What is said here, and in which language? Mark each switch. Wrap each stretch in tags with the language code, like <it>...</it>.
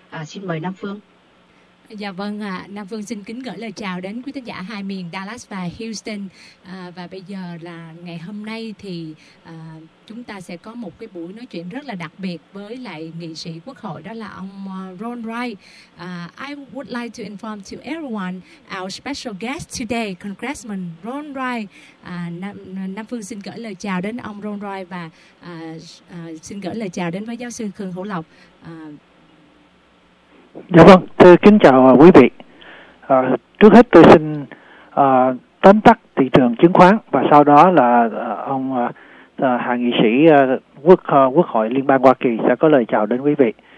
<vi>Xin mời Nam Phương. Dạ vâng ạ, Nam Phương xin kính gửi lời chào đến quý khán giả hai miền Dallas và Houston. Và bây giờ là ngày hôm nay thì chúng ta sẽ có một cái buổi nói chuyện rất là đặc biệt với lại nghị sĩ quốc hội, đó là ông Ron Wright.</vi> <en>I would like to inform to everyone our special guest today, Congressman Ron Wright.</en> <vi>Nam Phương xin gửi lời chào đến ông Ron Wright và xin gửi lời chào đến với giáo sư Khương Hữu Lộc. Dạ vâng, tôi kính chào quý vị. Trước hết tôi xin tóm tắt thị trường chứng khoán và sau đó là ông hạ nghị sĩ quốc hội Liên bang Hoa Kỳ sẽ có lời chào đến quý vị.</vi>